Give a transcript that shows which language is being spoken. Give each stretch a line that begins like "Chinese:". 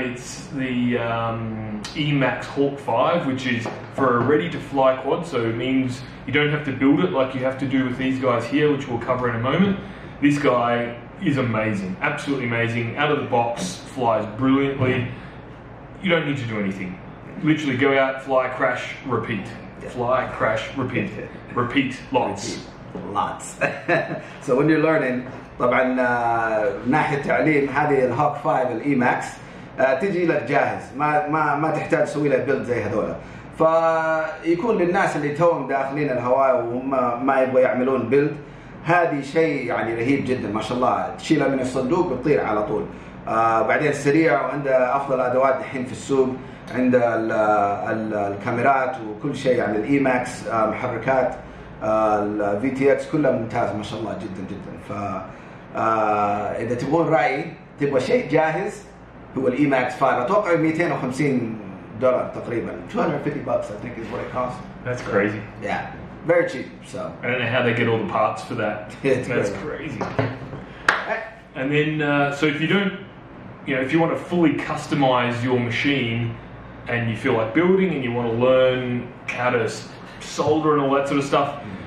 English: It's the EMAX Hawk 5, which is for a ready-to-fly quad, so it means you don't have to build it like you have to do with these guys here, which we'll cover in a moment. This guy is amazing, absolutely amazing. Out of the box, flies brilliantly. You don't need to do anything. Literally go out, fly, crash, repeat. Fly, crash, repeat. Repeat lots. Lots. So when you're learning,
Arabic: طبعا من ناحية تعليم هذه الهوك 5 الاي ماكس تجي لك جاهز ما تحتاج تسوي له بيلد زي هذولا. فيكون للناس اللي توهم داخلين الهواية وهم ما يبغوا يعملون بيلد هذه شيء يعني رهيب جدا ما شاء الله تشيلها من الصندوق وتطير على طول. بعدين سريع وعنده افضل ادوات الحين في السوق عند الكاميرات وكل شيء يعني الاي ماكس محركات الفي تي اكس كلها ممتاز ما شاء الله جدا جدا. إذا تبغون رأي تبغى شيء جاهز هو الإي ماكس 5 أتوقع $250 تقريبا $250
English: I think is what it costs. That's crazy. So, yeah, very cheap. So I don't know how they get all the parts for that. That's crazy. And then so if you don't, you know, if you want to fully customize your machine and you feel like building and you want to learn how to solder and all that sort of stuff.